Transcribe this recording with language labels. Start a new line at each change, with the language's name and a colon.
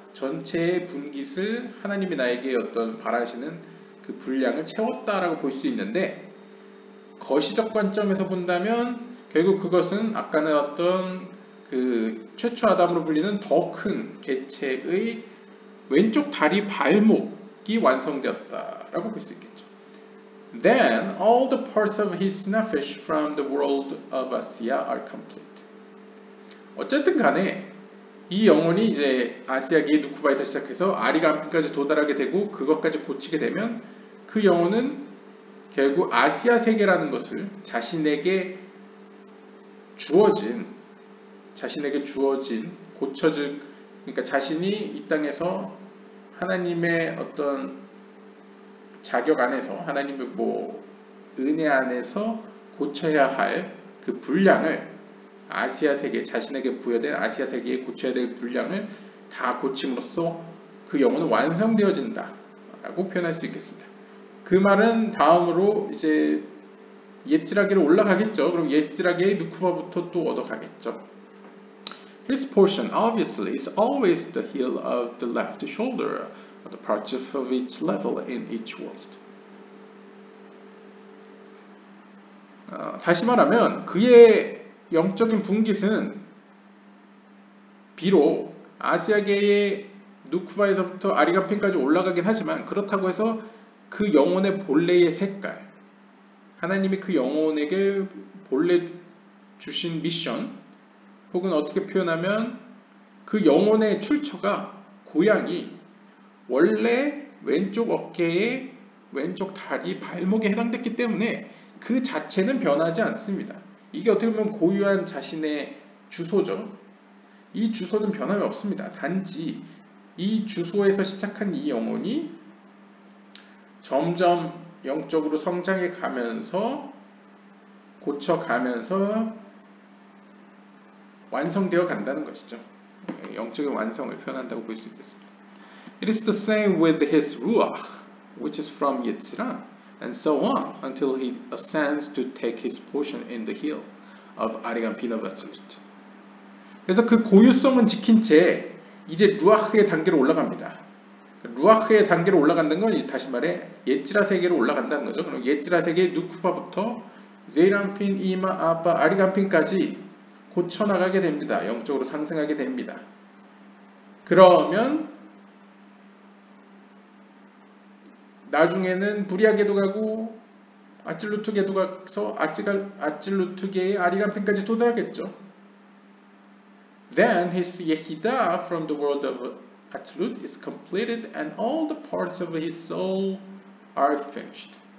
Korean: 전체의 분깃을 하나님이 나에게 어떤 바라시는 그 분량을 채웠다라고 볼 수 있는데, 거시적 관점에서 본다면 결국 그것은 아까는 어떤 그 최초 아담으로 불리는 더 큰 개체의 왼쪽 다리 발목이 완성되었다라고 볼 수 있겠죠.
English: Then all the parts of his nefesh from the world of Asiya are complete.
Korean: 어쨌든 간에 이 영혼이 이제 아시아계의 누쿠바에서 시작해서 아리간핀까지 도달하게 되고 그것까지 고치게 되면 그 영혼은 결국 아시아 세계라는 것을 자신에게 주어진 고쳐질, 그러니까 자신이 이 땅에서 하나님의 어떤 자격 안에서, 하나님의 뭐 은혜 안에서 고쳐야 할 그 분량을, 아시아 세계, 자신에게 부여된 아시아 세계에 고쳐야 될 분량을 다 고침으로써 그 영혼은 완성되어진다 라고 표현할 수 있겠습니다. 그 말은 다음으로 이제 옛지라계로 올라가겠죠. 그럼 옛지라계의 누쿠바부터 또 얻어가겠죠.
English: His portion obviously is always the heel of the left shoulder, the part of each level in each world.
Korean: 다시 말하면 그의 영적인 분깃은 비록 아시아계의 누쿠바에서부터 아리간핀까지 올라가긴 하지만, 그렇다고 해서 그 영혼의 본래의 색깔, 하나님이 그 영혼에게 본래 주신 미션, 혹은 어떻게 표현하면 그 영혼의 출처가, 고향이 원래 왼쪽 어깨에, 왼쪽 다리 발목에 해당됐기 때문에 그 자체는 변하지 않습니다. 이게 어떻게 보면 고유한 자신의 주소죠. 이 주소는 변함이 없습니다. 단지 이 주소에서 시작한 이 영혼이 점점 영적으로 성장해 가면서, 고쳐가면서 완성되어 간다는 것이죠. 영적인 완성을 표현한다고 볼 수 있겠습니다.
English: It is the same with his ruach, which is from Yetzirah, and so on, until he ascends to take his portion in the hill of Arigan Pinavasut.
Korean: 그래서 그 고유성은 지킨 채 이제 루아흐의 단계로 올라갑니다. 루아흐의 단계로 올라간다는 건 다시 말해 예찌라 세계로 올라간다는 거죠. 그럼 예찌라 세계의 누쿠바부터 제이란핀, 이마, 아빠, 아리간핀까지 고쳐나가게 됩니다. 영적으로 상승하게 됩니다. 그러면 나중에는 부리아계도 가고 아찔루트계도 가서 아찔루트계의 아리간핀까지 도달하겠죠.
English: Then his yehida from the world of Atlut is completed and all the parts of his soul are finished.